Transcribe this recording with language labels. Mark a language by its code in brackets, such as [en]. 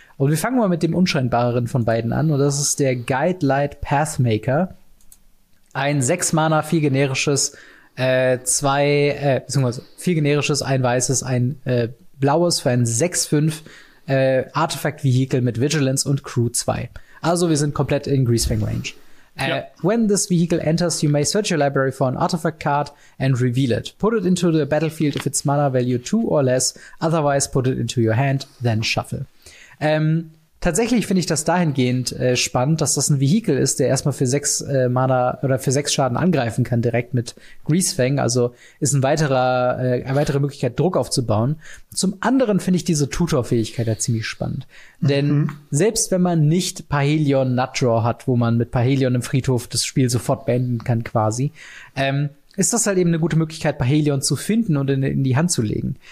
[de] Und wir fangen mal mit dem unscheinbareren von beiden an. Und das ist der Guidelight Pathmaker. Ein 6-Mana, 4 generisches, 2, beziehungsweise 4 generisches, ein weißes, ein blaues für ein 6-5 Artifact-Vehikel mit Vigilance und Crew 2. Also wir sind komplett in Greasefang-Range. [en] When this vehicle enters, you may search your library for an artifact card and reveal it. Put it into the battlefield if its mana value 2 or less. Otherwise, put it into your hand, then shuffle. [de] Tatsächlich finde ich das dahingehend spannend, dass das ein Vehikel ist, der erstmal für 6 Mana oder für 6 Schaden angreifen kann, direkt mit Greasefang. Also ist eine weitere Möglichkeit, Druck aufzubauen. Zum anderen finde ich diese Tutor-Fähigkeit ja ziemlich spannend. Denn selbst wenn man nicht Paelion Nutdraw hat, wo man mit Paelion im Friedhof das Spiel sofort beenden kann quasi, ist das halt eben eine gute Möglichkeit, Paelion zu finden und in die Hand zu legen.